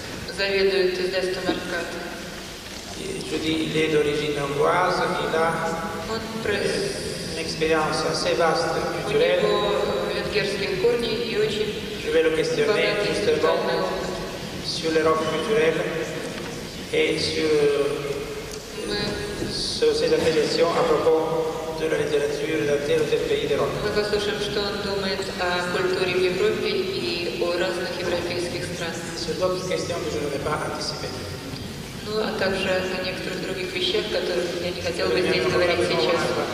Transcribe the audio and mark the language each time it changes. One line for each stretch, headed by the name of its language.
Russian: Одного из издательств Арката.
French: Judy Lé d'origine angloise, qui a une expérience assez vaste culturelle. Je vais le questionner justement sur l'Europe culturelle et sur ses appréciations à propos de la littérature d'un tel ou tel pays d'Europe. Nous allons écouter ce qu'il pense de la culture en Europe et des différentes européennes. C'est une autre question que je ne vais pas anticiper.
Russian: Ну, а также о некоторых других вещах, которых я не хотел бы здесь говорить сейчас.